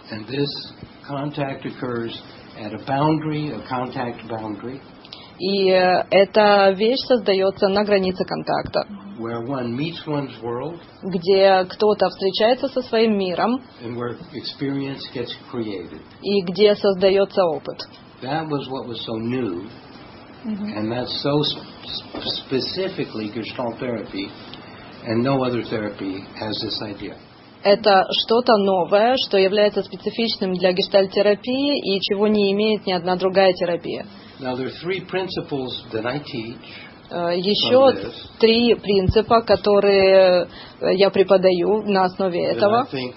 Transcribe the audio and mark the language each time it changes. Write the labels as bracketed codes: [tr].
[en] And this contact occurs at a boundary, a contact boundary. [ru] И эта вещь создается на границе контакта, [en] where one meets one's world, [ru] где кто-то встречается со своим миром, [en] and where experience gets created. [ru] И где создается опыт. [en] That was what was so new, and that's so specifically Gestalt therapy, and no other therapy has this idea. [ru] Это что-то новое, что является специфичным для гештальт-терапии и чего не имеет ни одна другая терапия. [en] Now there are three principles that I teach. [ru] еще три принципа, которые я преподаю на основе этого.